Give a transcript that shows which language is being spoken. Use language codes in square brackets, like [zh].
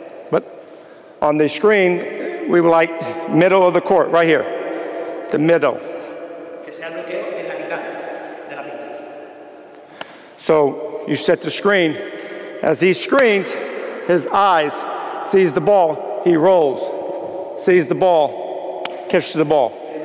[en] But on the screen, we would like middle of the court, right here. The middle. [es] Que sea el bloqueo en la mitad de la pista. [en] So you set the screen. As he screens, his eyes sees the ball, he rolls, sees the ball, catches the ball.